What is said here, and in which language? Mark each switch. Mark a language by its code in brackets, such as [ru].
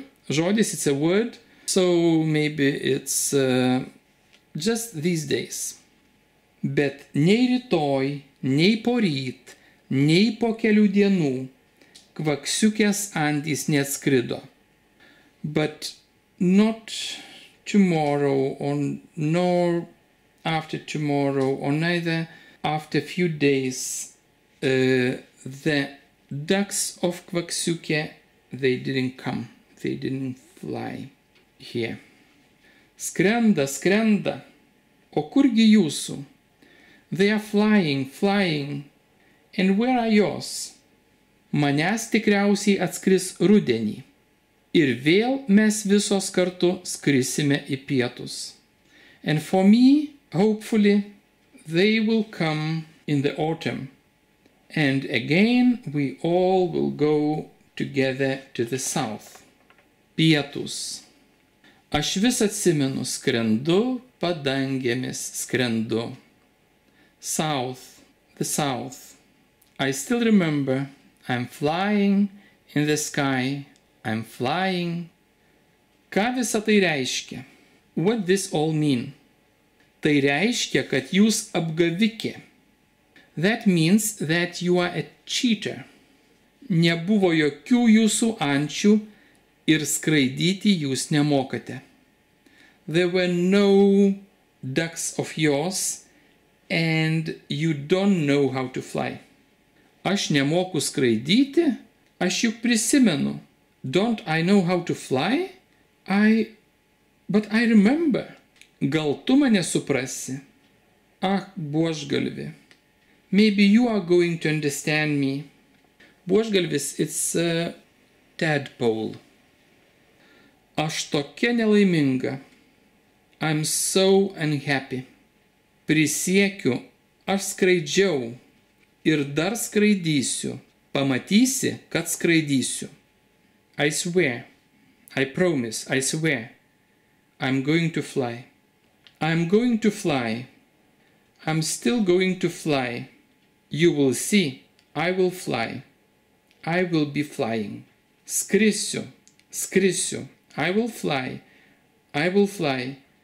[en] Žodis, it's a word, so maybe it's just these days. [lt] Bet nei rytoj, nei poryt, nei po kelių dienų kvaksiukės antys neatskrido. [en] But not tomorrow or nor after tomorrow or neither after a few days the ducks of kvaksiukė, they didn't come, they didn't fly here. [lt] Skrenda, skrenda, o kurgi jūsų? [en] They are flying, flying. And where are yours? [lt] Manęs tikriausiai atskris rudenį. Ir vėl mes visos kartu skrisime į pietus. [en] And for me, hopefully, they will come in the autumn. And again, we all will go together to the south. [lt] Pietus. Aš vis atsimenu, skrendu, padangėmis skrendu. [en] South, the south. I still remember, I'm flying in the sky, I'm flying. [lt] Ką visa tai reiškia? [en] What this all mean? [lt] Tai reiškia, kad jūs apgavikė. [en] That means that you are a cheater. [lt] Nebuvo jokių jūsų ančių ir skraidyti jūs nemokate. [en] There were no ducks of yours and you don't know how to fly. [lt] Aš nemoku skraidyti, aš juk prisimenu. [en] Don't I know how to fly? But I remember. [lt] Gal tu mane suprasi? Ach, buožgalvi. [en] Maybe you are going to understand me. Buožgalvis, it's a tadpole. [lt] Aš tokia nelaiminga. [en] I'm so unhappy. [lt] Prisiekiu, aš skraidžiau. Ir dar skraidysiu. Pamatysi, kad skraidysiu. [en] I swear, I promise, I swear, I'm going to fly. I'm going to fly. I'm still going to fly. You will see, I will fly. I will be flying. [lt] Skrisiu, skrisiu, [en] I will fly, I will fly.